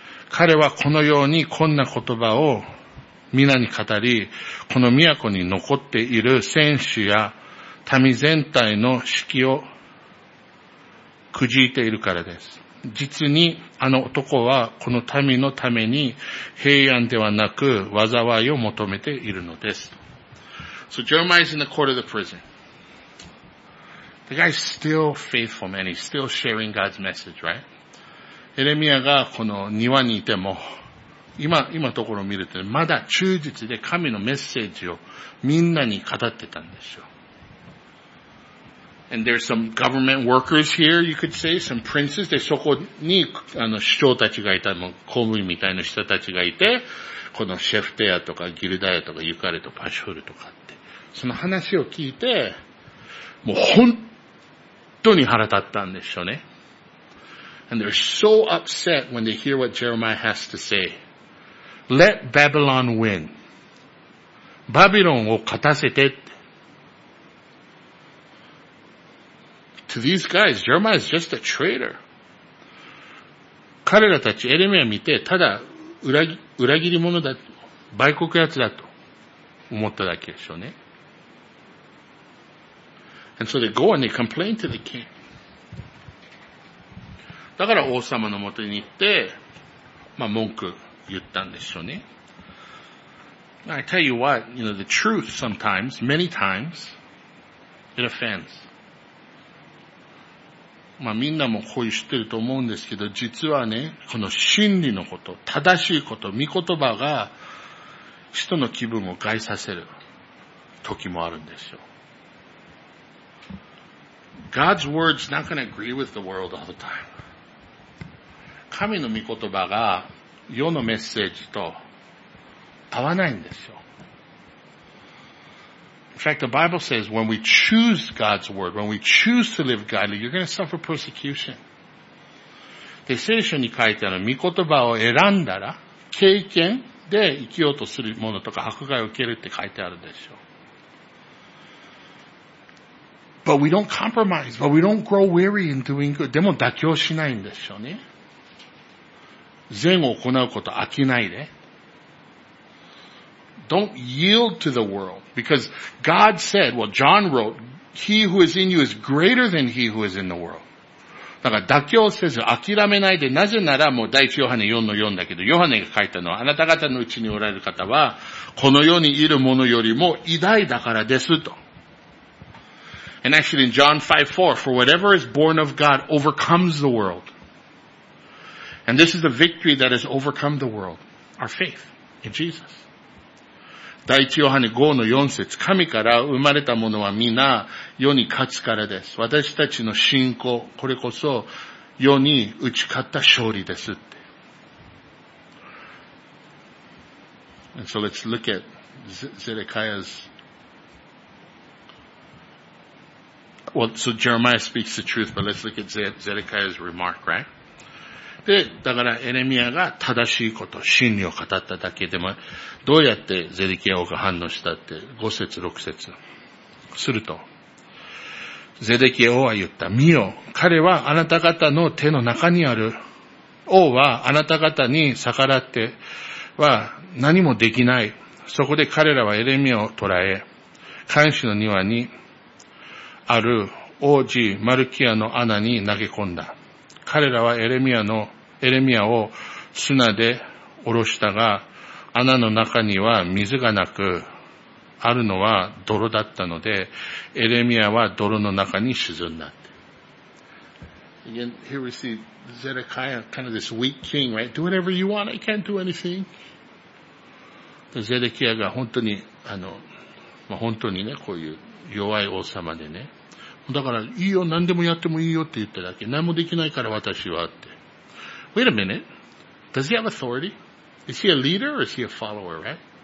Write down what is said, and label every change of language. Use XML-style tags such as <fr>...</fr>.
<ja>彼はこのようにこんな言葉を皆に語り、この都に残っている戦士や民全体の士気をくじいているからです。実にあの男はこの民のために平安ではなく災いを求めているのです。</ja> <en>So Jeremiah is in the court of the prison. The guy's still faithful, man. He's still sharing God's message, right?</en> <ja>エレミアがこの庭にいても、今ところを見ると、まだ忠実で神のメッセージをみんなに語ってたんですよ。</ja> <en>And there's some government workers here, you could say, some princes.</en> <ja>で、そこに、首長たちがいた、公務員みたいな人たちがいて、このシェフテアとかギルダヤとかユカレとパシフルとかって、その話を聞いて、もう本当に腹立ったんでしょうね。</ja> <en>And they're so upset when they hear what Jeremiah has to say. Let Babylon win.</en> <ja>バビロンを勝たせて、</ja> <en>To these guys, Jeremiah is just a traitor.</en> <ja>彼らたち、エレミア見て、ただ、裏切り者だと、売国やつだと、思っただけでしょうね。</ja> <en>And so they go and they complain to the king.</en> <ja>だから王様のもとに行って、まあ文句言ったんでしょうね。</ja> <en>I tell you what, you know, the truth sometimes, many times, it offends.</en> <ja>まあみんなもこう知ってると思うんですけど、実はね、この真理のこと、正しいこと、御言葉が人の気分を害させる時もあるんですよ。</ja> <en>God's word's not gonna agree with the world all the time.</en> <ja>神の御言葉が世のメッセージと合わないんですよ。</ja> <en>In fact, the Bible says when we choose God's word, when we choose to live godly, you're going to suffer persecution.</en> <ja>で、聖書に書いてある御言葉を選んだら、経験で生きようとするものとか迫害を受けるって書いてあるでしょう。</ja> <en>But we don't compromise, but we don't grow weary in doing good.</en> <ja>でも妥協しないんですよね。善を行うこと飽きないで。</ja> <en>Don't yield to the world. Because God said, well, John wrote, he who is in you is greater than he who is in the world.</en> <ja>だから妥協せず諦めないで、なぜならもう第一ヨハネ4の4だけど、ヨハネが書いたのは、あなた方のうちにおられる方は、この世にいるものよりも偉大だからですと。</ja> <en>And actually in John 5:4, for whatever is born of God overcomes the world. And this is the victory that has overcome the world. Our faith in Jesus.</en> <ja>第一ヨハネ5の4節、神から生まれたものは皆世に勝つからです。私たちの信仰、これこそ世に打ち勝った勝利ですって。</ja> <en>And so let's look at Zedekiah's Well, so Jeremiah speaks the truth, but let's look at Zedekiah's remark, right?</en> <ja>で、だからエレミアが正しいこと、真理を語っただけでも、どうやってゼデキヤ王が反応したって、5節、6節。すると、ゼデキヤ王は言った、見よ、彼はあなた方の手の中にある。王はあなた方に逆らっては何もできない。そこで彼らはエレミアを捕らえ、監視の庭に、ある王子マルキアの穴に投げ込んだ。彼らはエレミアを砂で下ろしたが、穴の中には水がなく、あるのは泥だったので、エレミアは泥の中に沈んだ。</ja> <en>Again, here we see Zedekiah, kind of this weak king, right? Do whatever you want, I can't do anything.</en> <ja>ゼデキヤが本当に、本当にね、こういう、弱い王様でね。だから、いいよ、何でもやってもいいよって言っただけ。何もできないから私はって。</ja> <en>Wait a minute. Does he have authority? Is he a leader or is he a follower, right?</en>